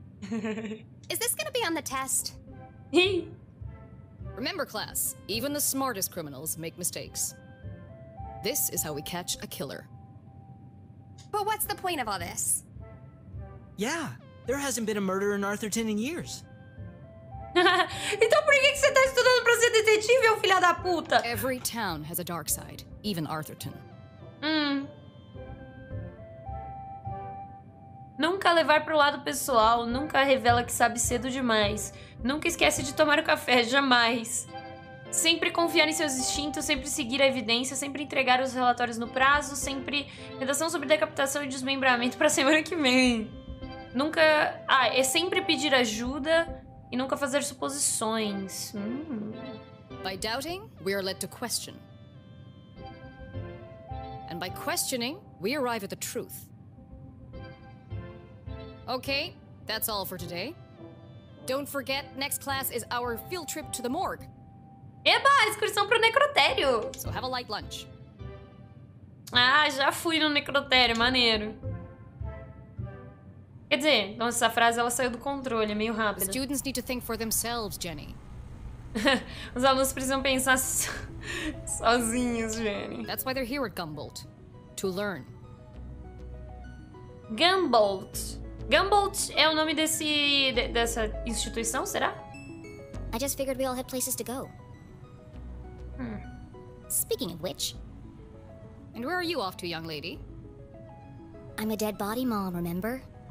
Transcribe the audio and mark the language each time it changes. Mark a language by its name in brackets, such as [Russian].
[English] Is this gonna be on the test? Remember, class, even the smartest criminals make mistakes. This is how we catch a killer. But what's the point of all this? Yeah, there hasn't been a murder in Arthurton in years. [Portuguese] Então por que você tá estudando pra ser detetive, ô filha da puta? [English] Every town has a dark side, even Arthurton. [Portuguese] Nunca levar pro lado pessoal, nunca revela que sabe cedo demais. Nunca esquece de tomar o café, jamais. Sempre confiar em seus instintos, sempre seguir a evidência, sempre entregar os relatórios no prazo, sempre... Redação sobre decapitação e desmembramento pra semana que vem. Nunca... Ah, é sempre pedir ajuda e nunca fazer suposições. [English] By doubting, we are led to question. And by questioning, we arrive at the truth. Okay, that's all for today. Don't forget, next class is our field trip to the morgue. [Portuguese] Eba, excursão pro necrotério. [English] So have a light lunch. [Portuguese] Ah, já fui no necrotério, maneiro. Quer dizer, então essa frase ela saiu do controle, é meio rápida. [English] The students need to think for themselves, Jenny. [Portuguese] Os alunos precisam pensar sozinhos, Jenny. [English] That's why they're here at Gumbolt, to learn. Gumbolt. [Portuguese] Gumbolt é o nome desse dessa instituição, será? [English] I just figured we all had places to go. Speaking of which. And where are you off to, young lady? I'm a dead body mom, remember?